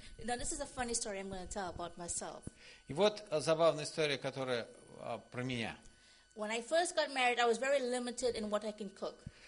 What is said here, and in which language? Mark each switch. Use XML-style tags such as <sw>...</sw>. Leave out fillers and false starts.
<en>Now this is a funny story I'm going to tell about myself.</en> <ru>И вот забавная история, которая про меня.</ru> <en>When I first got married, I was very limited in what I can cook.</en>